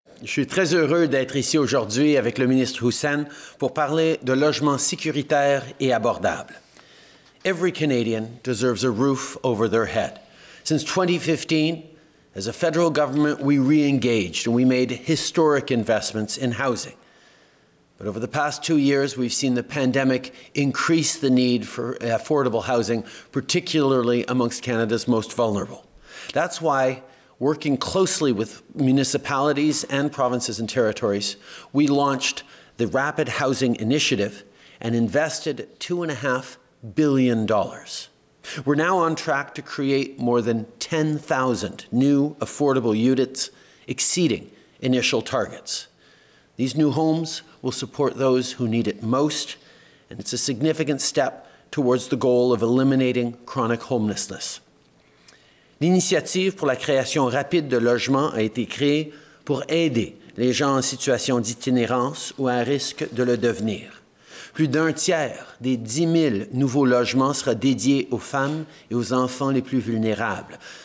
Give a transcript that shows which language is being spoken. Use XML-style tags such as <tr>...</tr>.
<fr>Je suis très heureux d'être ici aujourd'hui avec le ministre Hussein pour parler de logements sécuritaires et abordables.</fr> <en>Every Canadian deserves a roof over their head. Since 2015, as a federal government, we re-engaged and we made historic investments in housing. But over the past 2 years, we've seen the pandemic increase the need for affordable housing, particularly amongst Canada's most vulnerable. That's why, working closely with municipalities and provinces and territories, we launched the Rapid Housing Initiative and invested $2.5 billion. We're now on track to create more than 10,000 new affordable units, exceeding initial targets. These new homes will support those who need it most, and it's a significant step towards the goal of eliminating chronic homelessness.</en> <fr>L'initiative pour la création rapide de logements a été créée pour aider les gens en situation d'itinérance ou à risque de le devenir. Plus d'un tiers des 10 000 nouveaux logements sera dédié aux femmes et aux enfants les plus vulnérables.</fr>